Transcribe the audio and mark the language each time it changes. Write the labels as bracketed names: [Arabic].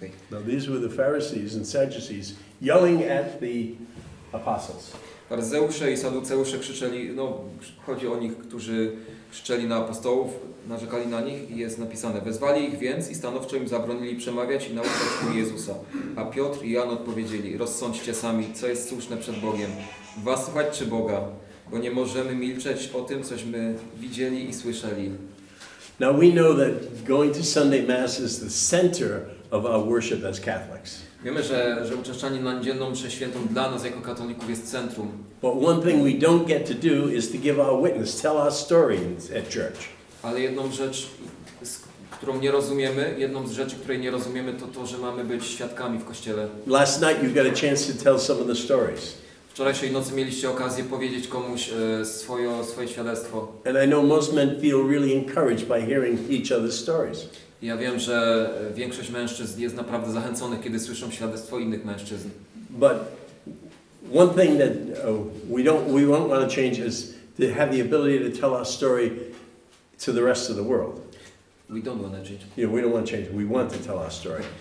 [English] Now these were the Pharisees and Sadducees yelling at the apostles. [Polish] Faryzeusze i Saduceusze krzyczeli, no chodzi o nich, którzy krzyczeli na apostołów, narzekali na nich i jest napisane: wezwali ich więc i stanowczo im zabronili przemawiać i nauczać u Jezusa. A Piotr i Jan odpowiedzieli: rozsądźcie sami, co jest słuszne przed Bogiem, was słuchać czy Boga, bo nie możemy milczeć o tym, cośmy widzieli i słyszeli. [English] Now we know that going to Sunday Mass is the center of our worship as Catholics. [Polish] Wiemy, że uczęszczanie na niedzielną mszę świętą dla nas jako katolików jest centrum. [English] But one thing we don't get to do is to give our witness, tell our story at church. [Polish] Ale jedną rzecz, którą nie rozumiemy, jedną z rzeczy, której nie rozumiemy, to to, że mamy być świadkami w kościele. [English] Last night you got a chance to tell some of the stories. [Polish] Wczorajszej nocy mieliście okazję powiedzieć komuś swoje świadectwo. [English] And I know most men feel really encouraged by hearing each other's stories. [Polish] Ja wiem, że większość mężczyzn jest naprawdę zachęconych, kiedy słyszą świadectwo innych mężczyzn. [English] But one thing that we won't want to change is to have the ability to tell our story to the rest of the world. We don't want to change. Yeah, we don't want to change. We want to tell our story.